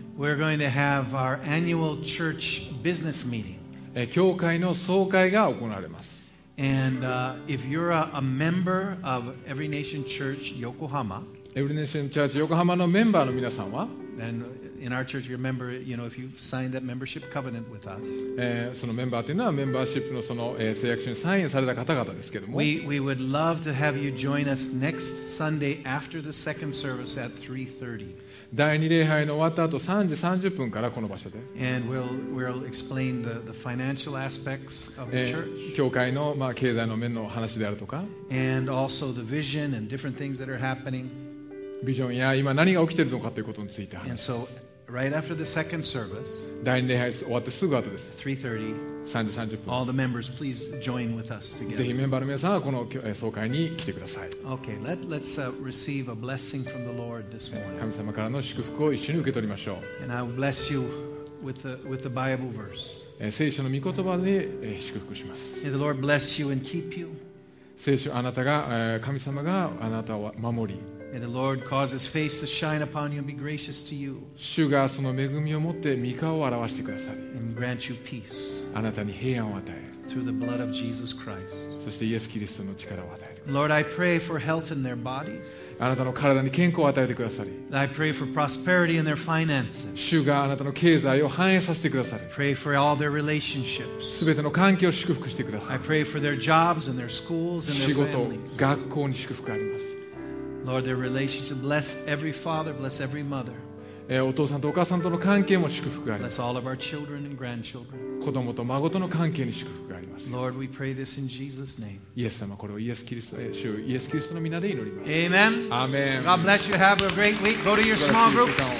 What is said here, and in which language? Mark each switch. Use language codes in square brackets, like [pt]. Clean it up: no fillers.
[en] we're going to have our annual church business meeting. [ja] 教会の総会が行われます。 [en] And if you're a member of Every Nation Church Yokohama, [ja] Every Nation Church Yokohama のメンバーの皆さんは、 [en] then in our church, you're a member. You know, if you signed that membership covenant with us, [ja] そのメンバーというのはメンバーシップのその誓約書にサインされた方々ですけども、 [en] we would love to have you join us next Sunday after the second service at 3:30. [ja] 第二礼拝の終わった後3時30分からこの場所で、 [en] we'll explain the financial aspects of the church. [ja] 教会の、まあ、経済の面の話であるとか、 [en] and also the vision and different things that are happening. [ja] ビジョンや今何が起きているのかということについて話します。 [en] And so, right after the second service, [ja] 第二礼拝終わってすぐ後です。 [en] 3:30, [ja] 3時30分。 [en] All the members, please join with us together. [ja] ぜひメンバーの皆さんはこの総会に来てください。 [en] Okay, let's receive a blessing from the Lord this morning. [ja] 神様からの祝福を一緒に受け取りましょう。 [en] And I will bless you with the Bible verse. [ja] 聖書の御言葉で祝福します。 [en] May the Lord bless you and keep you. [ja] 聖書、あなたが、神様があなたを守り、 [en] May the Lord cause His face to shine upon you and be gracious to you. [ja] 主がその恵みを持って御顔を表してくださり、 [en] and grant you peace. [ja] あなたに平安を与え、 [en] through the blood of Jesus Christ. [ja] そしてイエス・キリストの力を与える。 [en] Lord, I pray for health in their bodies. [ja] あなたの体に健康を与えてくださり、 [en] I pray for prosperity in their finances. [ja] 主があなたの経済を繁栄させてくださり、 [en] pray for all their relationships. [ja] すべての関係を祝福してくださり、 [en] I pray for their jobs and their schools and their families. [ja] 仕事、学校に祝福があります。 [en] Lord, their relationship. Bless every father, bless every mother. [ja] お父さんとお母さんとの関係も祝福があります。 [en] Bless all of our children and grandchildren. [ja] 子供と孫との関係に祝福があります。 [en] Lord, we pray this in Jesus' name. [ja] イエス様、これをイエス・キリスト、主イエス・キリストの皆で祈ります。 [en] Amen. Amen. God bless you. Have a great week. Go to your small group.